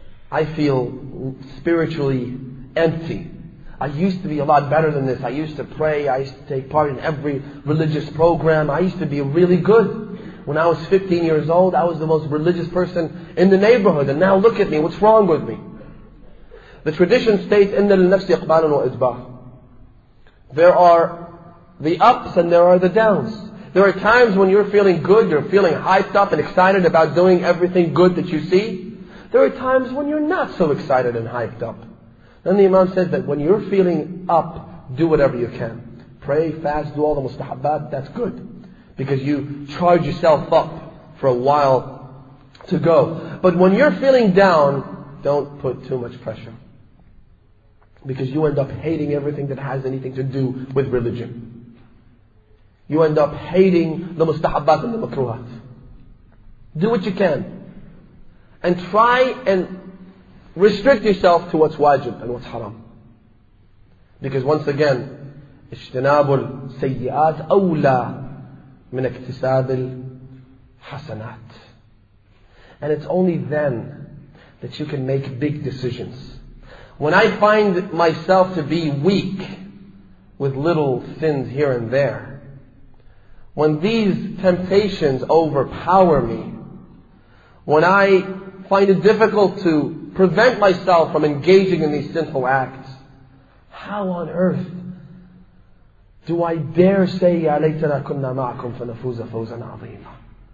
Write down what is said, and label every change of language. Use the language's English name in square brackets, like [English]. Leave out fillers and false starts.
[English] I feel spiritually empty. I used to be a lot better than this. I used to pray. I used to take part in every religious program. I used to be really good. When I was 15 years old, I was the most religious person in the neighborhood. And now look at me. What's wrong with me? The tradition states, [Arabic] إِنَّ لِلنَّفْسِ أَقْبَالٌ وَإِدْبَارٌ. [English] There are the ups and there are the downs. There are times when you're feeling good, you're feeling hyped up and excited about doing everything good that you see. There are times when you're not so excited and hyped up. Then the Imam says that when you're feeling up, do whatever you can. Pray, fast, do all the mustahabbat, that's good. Because you charge yourself up for a while to go. But when you're feeling down, don't put too much pressure. Because you end up hating everything that has anything to do with religion. You end up hating the mustahabbat and the makruhat. Do what you can. And try and restrict yourself to what's wajib and what's haram. Because once again, [Arabic] اجتناب السيئات أولى من اكتساب الحسنات. [English] And it's only then that you can make big decisions. When I find myself to be weak with little sins here and there, when these temptations overpower me, when I find it difficult to prevent myself from engaging in these sinful acts, how on earth do I dare say, [Arabic] يَا لَيْتَنَا كُنَّا مَعَكُمْ فَنَفُوزَ فَوْزًا عَظِيمًا.